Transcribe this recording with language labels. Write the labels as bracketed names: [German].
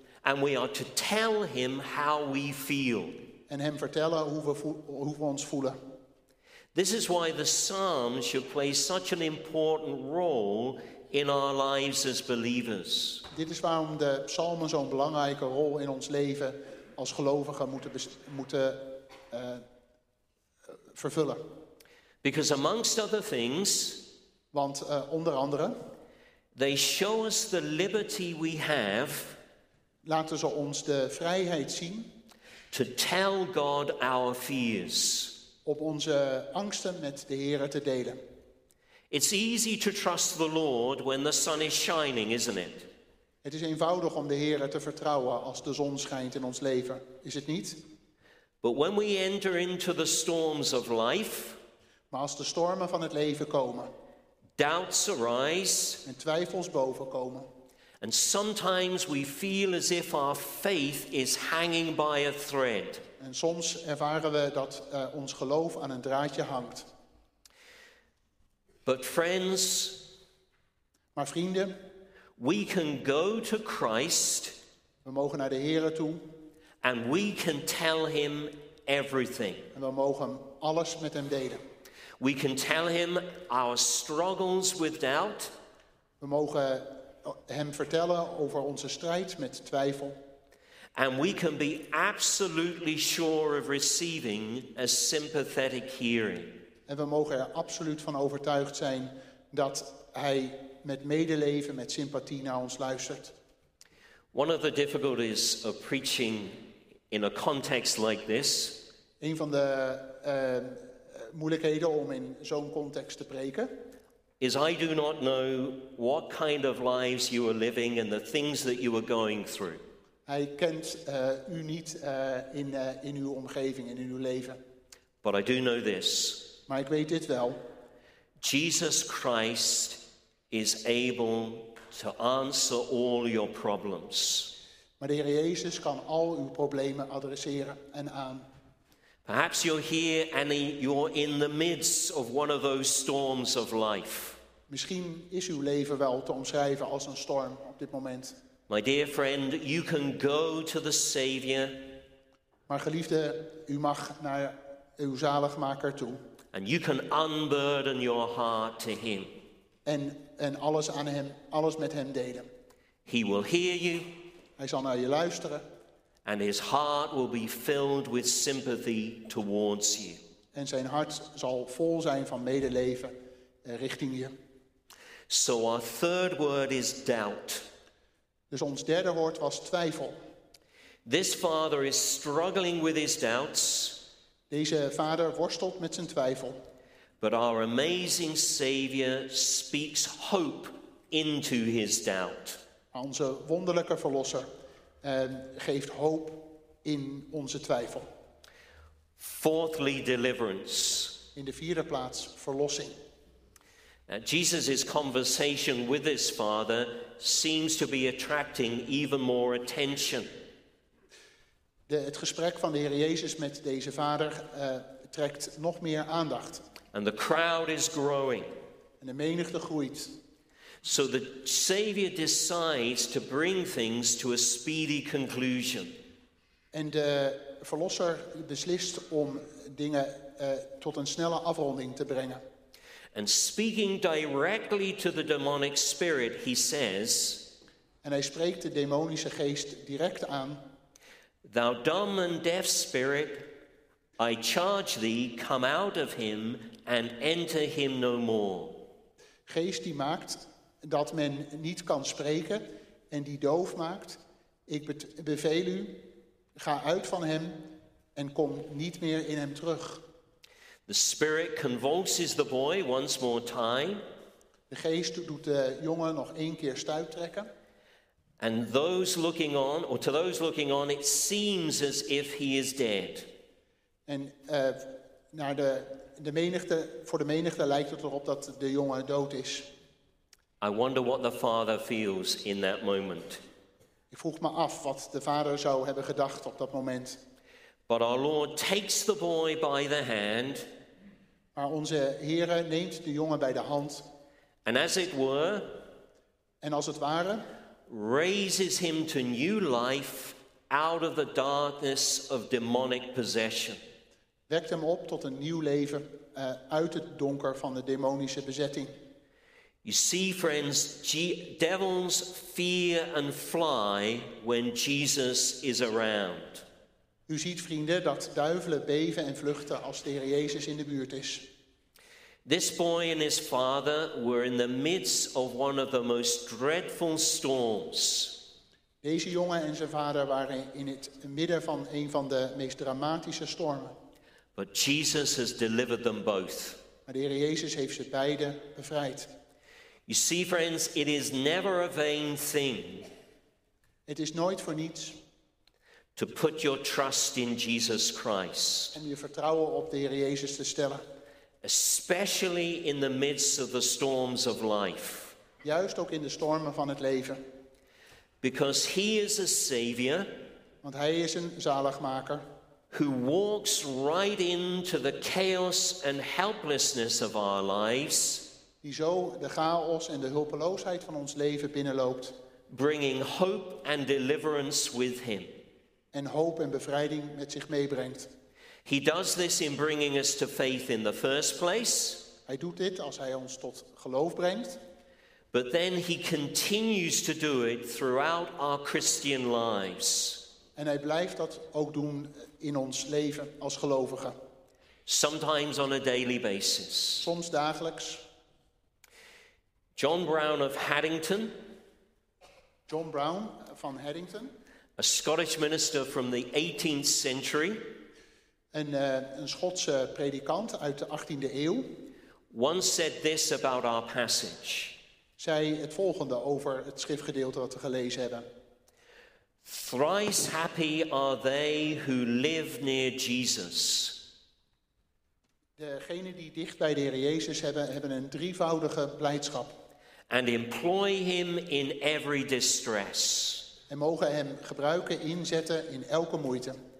[English] And we are to tell him how we feel. [Dutch] En hem vertellen hoe we ons voelen. [English] This is why the Psalms should play such an important role in our lives as believers. [Dutch] Dit is waarom de psalmen zo'n belangrijke rol in ons leven als gelovigen moeten vervullen. [English] Because amongst other things, [Dutch] want onder andere, [English] they show us the liberty we have. [Dutch] Laten ze ons de vrijheid zien. [English] To tell God our fears. [Dutch] Op onze angsten met de Heere te delen. [English] It's easy to trust the Lord when the sun is shining, isn't it? [Dutch] Het is eenvoudig om de Heere te vertrouwen als de zon schijnt in ons leven, is het niet? [English] But when we enter into the storms of life, [Dutch] maar als de stormen van het leven komen, [English] doubts arise, [Dutch] en twijfels boven komen, [English] and sometimes we feel as if our faith is hanging by a thread. [Dutch] En soms ervaren we dat ons geloof aan een draadje hangt. [English] But friends, [Dutch] maar vrienden, [English] we can go to Christ. [Dutch] We mogen naar de Heere toe. [English] And we can tell him everything. [Dutch] En we mogen alles met hem delen. [English] We can tell him our struggles with doubt. [Dutch] We mogen hem vertellen over onze strijd met twijfel. [English] And we can be absolutely sure of receiving a sympathetic hearing. [Dutch] En we mogen er absoluut van overtuigd zijn dat hij met medeleven, met sympathie naar ons luistert. [English] One of the difficulties of preaching in a context like this, [Dutch] een van de moeilijkheden om in zo'n context te preken, [English] is I do not know what kind of lives you are living and the things that you are going through. [Dutch] Hij kent u niet in uw omgeving en in uw leven. [English] But I do know this. [Dutch] Maar ik weet dit wel. [English] Jesus Christ is able to answer all your problems. [Dutch] Maar de Heer Jezus kan al uw problemen adresseren en aan. [English] Perhaps you're here and you're in the midst of one of those storms of life. [Dutch] Misschien is uw leven wel te omschrijven als een storm op dit moment. [English] My dear friend, you can go to the Savior. [Dutch] Maar geliefde, u mag naar uw zaligmaker toe. [English] And you can unburden your heart to him. [Dutch] En alles aan hem, alles met hem delen. [English] He will hear you. [Dutch] Hij zal naar je luisteren. [English] And his heart will be filled with sympathy towards you. [Dutch] En zijn hart zal vol zijn van medeleven richting je. [English] So our third word is doubt. [Dutch] Dus ons derde woord was twijfel. [English] This father is struggling with his doubts. [Dutch] Deze vader worstelt met zijn twijfel. [English] But our amazing Savior speaks hope into his doubt. [Dutch] Onze wonderlijke verlosser geeft hoop in onze twijfel. [English] Fourthly, deliverance. [Dutch] In de vierde plaats, verlossing. [English] Jesus' conversation with his father seems to be attracting even more attention. [Dutch] Het gesprek van de Heer Jezus met deze vader trekt nog meer aandacht. [English] And the crowd is growing. [Dutch] En de menigte groeit. [English] So the Savior decides to bring things to a speedy conclusion. [Dutch] En de verlosser beslist om dingen tot een snelle afronding te brengen. [English] And speaking directly to the demonic spirit, he says. [Dutch] En hij spreekt de demonische geest direct aan. [English] Thou dumb and deaf spirit, I charge thee, come out of him and enter him no more. [Dutch] Geest die maakt dat men niet kan spreken en die doof maakt. Ik beveel u, ga uit van hem en kom niet meer in hem terug. [English] The spirit convulses the boy once more time. [Dutch] De geest doet de jongen nog één keer stuit trekken. [English] And those looking on, or to those looking on, it seems as if he is dead. [Dutch] En naar de menigte, voor de menigte lijkt het erop dat de jongen dood is. [English] I wonder what the father feels in that moment. [Dutch] Ik vroeg me af wat de vader zou hebben gedacht op dat moment. [English] But our Lord takes the boy by the hand. [Dutch] Maar onze Heere neemt de jongen bij de hand. [English] And as it were. [Dutch] En als het ware. [English] Raises him to new life out of the darkness of demonic possession. [Dutch] Wekt hem op tot een nieuw leven uit het donker van de demonische bezetting. [English] You see, friends, devils fear and fly when Jesus is around. [Dutch] U ziet, vrienden, dat duivelen beven en vluchten als de Heer Jezus in de buurt is. [English] This boy and his father were in the midst of one of the most dreadful storms. [Dutch] Deze jongen en zijn vader waren in het midden van een van de meest dramatische stormen. [English] But Jesus has delivered them both. [Dutch] Maar de Heer Jezus heeft ze beide bevrijd. [English] You see, friends, it is never a vain thing. [Dutch] Het is nooit voor niets. [English] To put your trust in Jesus Christ. [Dutch] Om je vertrouwen op de Heer Jezus te stellen. [English] Especially in the midst of the storms of life. [Dutch] Juist ook in de stormen van het leven. [English] Because he is a savior. [Dutch] Want hij is een zaligmaker. [English] Who walks right into the chaos and helplessness of our lives. [Dutch] Die zo de chaos en de hulpeloosheid van ons leven binnenloopt. [English] Bringing hope and deliverance with him. [Dutch] En hoop en bevrijding met zich meebrengt. [English] He does this in bringing us to faith in the first place. [Dutch] Hij doet dit als hij ons tot geloof brengt. [English] But then he continues to do it throughout our Christian lives. [Dutch] En hij blijft dat ook doen in ons leven als gelovigen. [English] Sometimes on a daily basis. [Dutch] Soms dagelijks. [English] John Brown of Haddington. [Dutch] John Brown van Haddington. [English] A Scottish minister from the 18th century. [Dutch] Een Schotse predikant uit de 18e eeuw. [English] Once said this about our passage. [Dutch] Zei het volgende over het schriftgedeelte wat we gelezen hebben. [English] Thrice happy are they who live near Jesus. [Dutch] Degenen die dicht bij de Heer Jezus hebben, hebben een drievoudige blijdschap. [English] And employ him in every distress. [Dutch] En mogen hem gebruiken, inzetten in elke moeite.